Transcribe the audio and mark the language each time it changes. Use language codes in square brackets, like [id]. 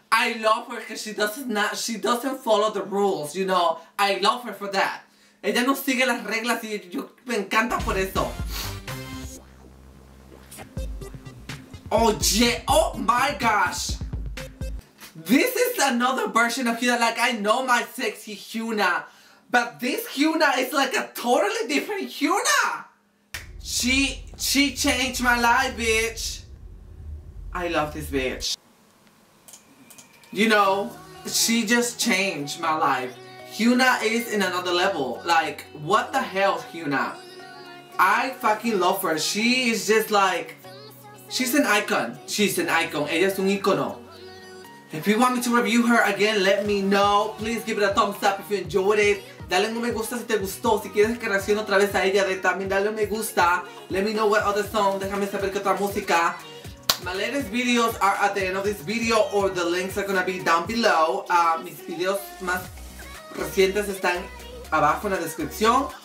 [en] I love her because she doesn't follow the rules, you know. I love her for that. [es] Ella no sigue las reglas y yo me encanta por eso. [en] Oh yeah, oh my gosh. This is another version of Hyuna. Like, I know my sexy Hyuna, but this Hyuna is like a totally different Hyuna. She changed my life, bitch. I love this bitch. You know, she just changed my life. Hyuna is in another level. Like, what the hell, Hyuna? I fucking love her. She is just like, she's an icon. She's an icon. [es] Ella es un icono. [en] If you want me to review her again, let me know. Please give it a thumbs up if you enjoyed it. [es] Dale un me gusta si te gustó. Si quieres que reaccione otra vez a ella, también dale un me gusta. [en] Let me know what other song. [es] Déjame saber qué otra música. [en] My latest videos are at the end of this video, or the links are gonna be down below. [es] Mis videos más recientes están abajo en la descripción.